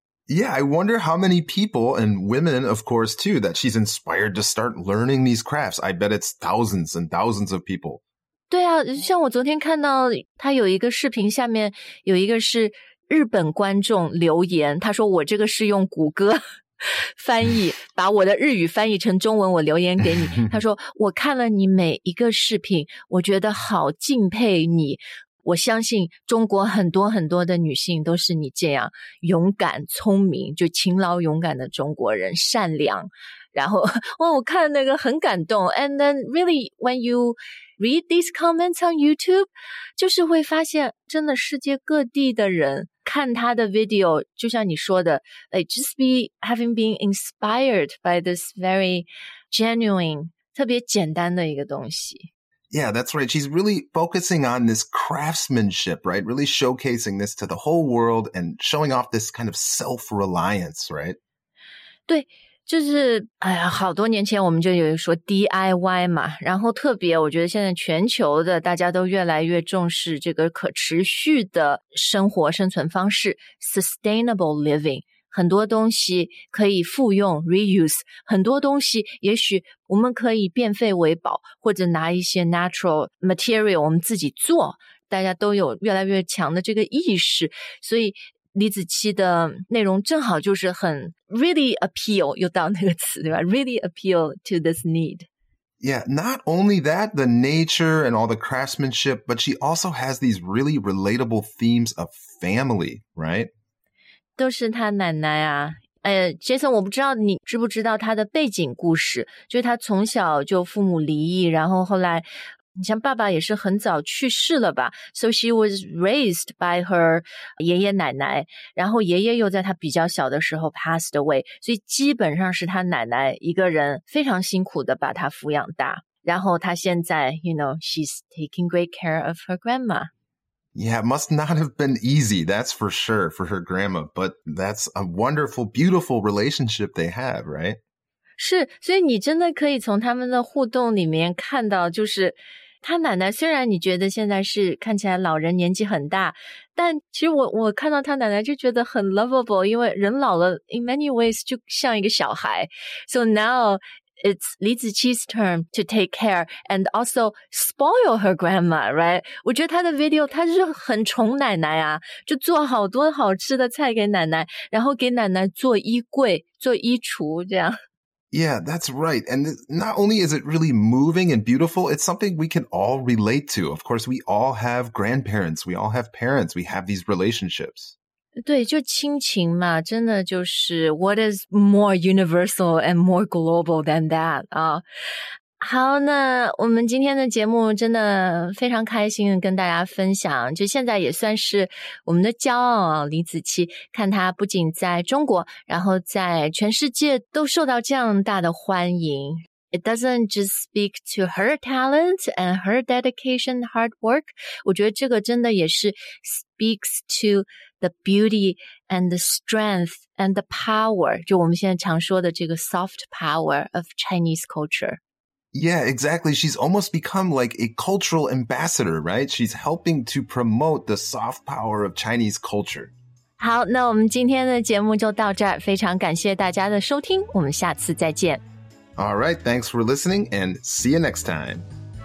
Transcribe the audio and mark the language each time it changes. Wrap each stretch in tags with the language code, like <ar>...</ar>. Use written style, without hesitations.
<en>Yeah, I wonder how many people, and women, of course, too, that she's inspired to start learning these crafts. I bet it's thousands and thousands of people.</en> <zh>对啊，像我昨天看到他有一个视频，下面有一个是日本观众留言，他说我这个是用谷歌翻译，把我的日语翻译成中文，我留言给你。他说我看了你每一个视频，我觉得好敬佩你。我相信中国很多很多的女性都是你这样勇敢、聪明，就勤劳勇敢的中国人，善良。然后，哇，我看那个很感动。</zh> <en>And then really, when you read these comments on YouTube,</en> <zh>就是会发现真的世界各地的人看他的</zh> <en>video,</en> <zh>就像你说的</zh> <en>like, just be having been inspired by this very genuine,</en> <zh>特别简单的一个东西。</zh> <en>Yeah, that's right. She's really focusing on this craftsmanship, right? Really showcasing this to the whole world and showing off this kind of self-reliance, right?</en> <zh>对，就是哎呀，好多年前我们就有说 DIY 嘛，然后特别我觉得现在全球的大家都越来越重视这个可持续的生活生存方式 sustainable living，很多东西可以复用 reuse， 很多东西也许我们可以变废为宝，或者拿一些 natural material 我们自己做，大家都有越来越强的这个意识，所以李子柒的内容正好就是很 really appeal， 又到那个词对吧，</zh> <en>really appeal to this need。 Yeah, not only that, the nature and all the craftsmanship, but she also has these really relatable themes of family, right?</en> <zh>都是他奶奶啊，Jason， 我不知道你知不知道他的背景故事，就是他从小就父母离异，然后后来，你像爸爸也是很早去世了吧 ？</zh> <en>So she was raised by her</en> <zh>爷爷奶奶，然后爷爷又在他比较小的时候 passed away， 所以基本上是他奶奶一个人非常辛苦的把他抚养大，然后他现在 ，</zh> <en>you know， she's taking great care of her grandma。 Yeah, it must not have been easy, that's for sure, for her grandma. But that's a wonderful, beautiful relationship they have, right?</en> <zh>是，所以你真的可以从他们的互动里面看到，就是他奶奶虽然你觉得现在是看起来老人年纪很大，但其实我看到他奶奶就觉得很 lovable, 因为人老了</zh> <en>in many ways</en> <zh>就像一个小孩。</zh> <en>So now it's Li Ziqi's turn to take care and also spoil her grandma, right?</en> <zh>我觉得她的 video, 她是很宠奶奶啊，就做好多好吃的菜给奶奶，然后给奶奶做衣柜，做衣橱这样。</zh> <en>Yeah, that's right. And not only is it really moving and beautiful, it's something we can all relate to. Of course, we all have grandparents, we all have parents, we have these relationships.</en> <zh>对，就亲情嘛，真的就是</zh> <en>what is more universal and more global than that</en> <zh>啊。好，那我们今天的节目真的非常开心跟大家分享，就现在也算是我们的骄傲啊，李子柒，看他不仅在中国，然后在全世界都受到这样大的欢迎。</zh> <en>It doesn't just speak to her talent and her dedication, hard work.</en> <zh>我觉得这个真的也是</zh> <en>speaks to the beauty and the strength and the power,</en> <zh>就我们现在常说的这个</zh> <en>soft power of Chinese culture. Yeah, exactly. She's almost become like a cultural ambassador, right? She's helping to promote the soft power of Chinese culture.</en> <zh>好，那我们今天的节目就到这儿，非常感谢大家的收听，我们下次再见。</zh> <en>All right, thanks for listening and see you next time.</en>